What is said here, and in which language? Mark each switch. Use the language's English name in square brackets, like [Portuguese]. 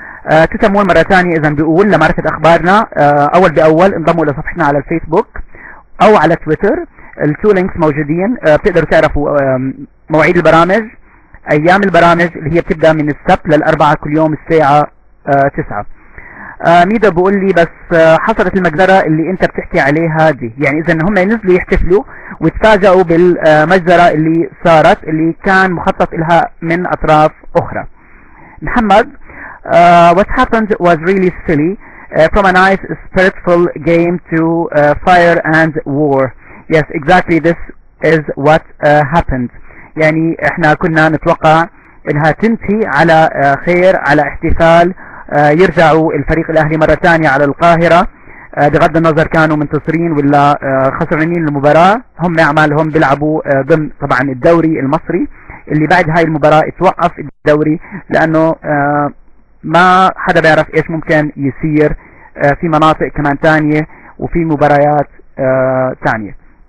[Arabic] تسمون مرة ثانية إذا بيقول لمعرفة أخبارنا أول بأول، انضموا لصفحتنا على الفيسبوك أو على تويتر، التو لينكس موجودين، بتقدروا تعرفوا مواعيد البرامج، أيام البرامج اللي هي بتبدأ من السبت للأربعاء كل يوم الساعة 9. ميدا بقول لي بس حصلت المجزرة اللي أنت بتحكي عليها دي، يعني إذا هم نزلوا يحتفلوا وتفاجئوا بالمجزرة اللي صارت اللي كان مخطط لها من أطراف أخرى. [English] محمد، what happened was really silly from a nice spiritual game to fire and war. Yes, exactly this is what happened. [Arabic] يعني احنا كنا نتوقع انها تنتهي على خير، على احتفال، يرجع الفريق الاهلي مره ثانيه على القاهره، بغض النظر كانوا منتصرين ولا خسرانين المباراه، هم اعمالهم بيلعبوا ضمن طبعا الدوري المصري اللي بعد هاي المباراه اتوقف الدوري لانه ما حدا بيعرف ايش ممكن يصير في مناطق كمان ثانيه وفي مباريات ثانيه.